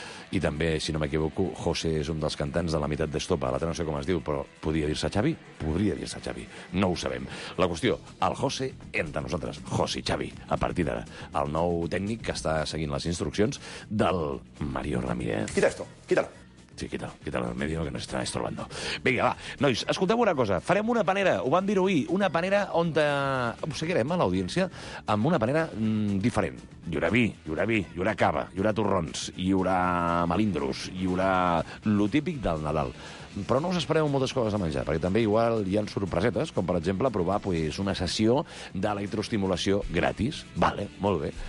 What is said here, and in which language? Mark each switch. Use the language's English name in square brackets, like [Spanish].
[Catalan] I també, si no m'equivoco, José és un dels cantants de la meitat d'Estopa. L'altre no sé com es diu, però podria dir-se Xavi? Podria dir-se Xavi. No ho sabem. La qüestió, el José entre nosaltres. José i Xavi, a partir d'ara. El nou tècnic que està seguint les instruccions del Mario Ramírez. [Spanish] Quita esto, quítalo. Sí, quítalo del medio que nos está estorbando. [Catalan] Vinga, va. Nois, escolteu una cosa. Farem una panera, ho vam dir ahir, una panera on ho seguirem a l'audiència amb una panera diferent. Hi haurà vi, hi haurà vi, hi haurà cava, hi haurà torrons, hi haurà melindros, hi haurà lo típic del Nadal. Però no us espereu moltes coses a menjar, perquè també igual hi ha sorpresetes, com per exemple provar pues, una sessió d'electroestimulació gratis. Vale, molt bé.